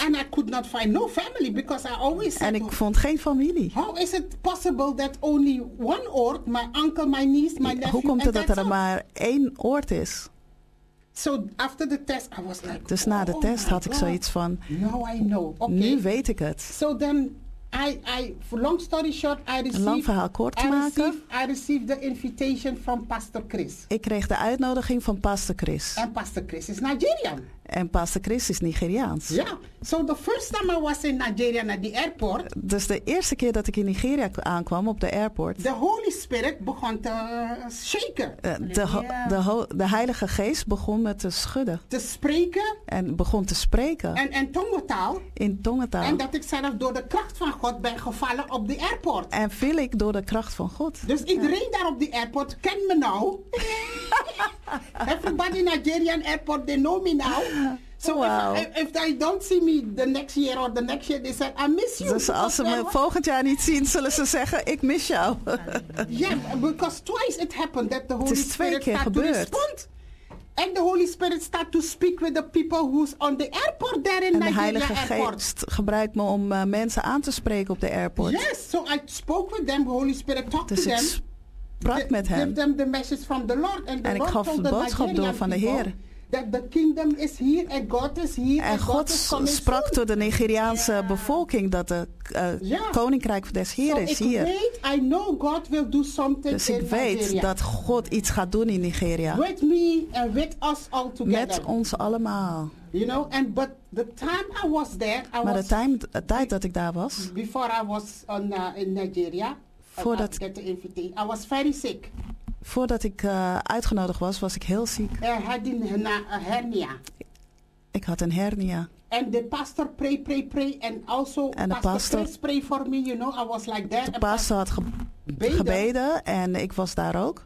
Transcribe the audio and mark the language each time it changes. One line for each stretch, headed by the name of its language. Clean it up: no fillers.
English: And I could not find no family because I always said,
Dutch: en ik vond geen familie.
English: How is it possible that only one Oort, my uncle, my niece, my nephew,
Dutch: hoe komt het dat er maar één Oort is?
English: So after the test, I was like,
Dutch: dus na de test had ik zoiets van,
English: now I know. Okay.
Dutch: Nu weet ik het.
English: So then, I for long story short, I received,
Dutch: lang verhaal kort te maken.
English: I received the invitation from Pastor Chris.
Dutch: Ik kreeg de uitnodiging van Pastor Chris.
English: And Pastor Chris is Nigerian.
Dutch: En Pastor Chris is Nigeriaans. Ja, yeah.
English: So the first time I was in Nigeria at the airport.
Dutch: Dus de eerste keer dat ik in Nigeria aankwam op de airport. The Holy Spirit begon te shaken. De Heilige Geest begon me te schudden. Te spreken. En begon te spreken. En tongentaal. In tongentaal. En dat ik zelf door de kracht van God ben gevallen op de airport. En viel ik door de kracht van God. Dus iedereen daar op de airport kent me nou.
English: Everybody in Nigerian airport, they know me now. So wow. if they don't see me the next year or the next year, they said, I miss you.
Dutch: Dus als ze me volgend jaar niet zien, zullen ze zeggen, ik mis jou.
English: Yeah, because twice it happened that the Holy Spirit started to respond. And the Holy Spirit started to speak with the people who's on the airport there in Nigeria airport.
Dutch: En de Heilige Geest gebruikt me om mensen aan te spreken op de airport.
English: Yes, so I spoke with them, the Holy Spirit talked
Dutch: dus
English: to them.
Dutch: Sprak met hem.
English: Give them the message from the Lord. And
Dutch: en
English: the
Dutch: ik
English: Lord
Dutch: gaf
English: told
Dutch: de boodschap door van de Heer.
English: That the kingdom is here and God is here.
Dutch: En God sprak tot de Nigeriaanse bevolking dat de koninkrijk des Heeren is hier.
English: I know God will do something
Dutch: dus ik weet dat God iets gaat doen in Nigeria.
English: With me and with us all together.
Dutch: Met ons allemaal.
English: You know, and but the time I was there, I
Dutch: maar
English: was
Dutch: de tijd dat ik daar was.
English: Before I was in Nigeria.
Dutch: Voordat
English: I get the invitation. I was very sick.
Dutch: Voordat ik uitgenodigd was, was ik heel ziek. Had een hernia. Ik had een hernia.
English: And the pastor pray, and also
Dutch: en
English: pastor Chris pray for me, you know, I was like that.
Dutch: De pastor had gebeden en ik was daar ook.